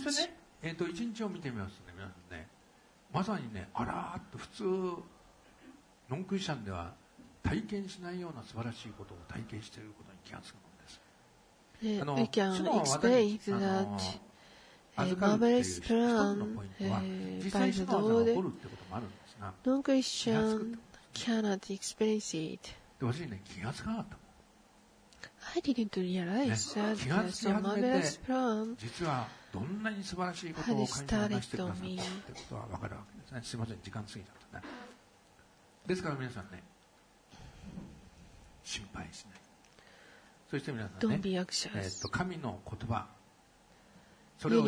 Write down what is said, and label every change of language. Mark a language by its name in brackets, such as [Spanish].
[Japanese] そしてね、一日を見てみますね、皆さんね。まさにね、あらーっと普通、ノンクリスチャンでは体験しないような素晴らしいことを体験していることに気がつくのです。 [English] We can explain that marvelous plan by the Lord. Non Christian cannot experience it. [Japanese] で、私ね、気がつかなかった。 [English] I didn't realize that it's a marvelous plan. [Japanese] 実はどんなに素晴らしいことを感じてくださったってことは分かるわけですね。すみません、時間過ぎちゃったね。ですから皆さんね、心配しない。そして皆さんね、 [English] Don't be anxious. [Japanese] 神の言葉、それを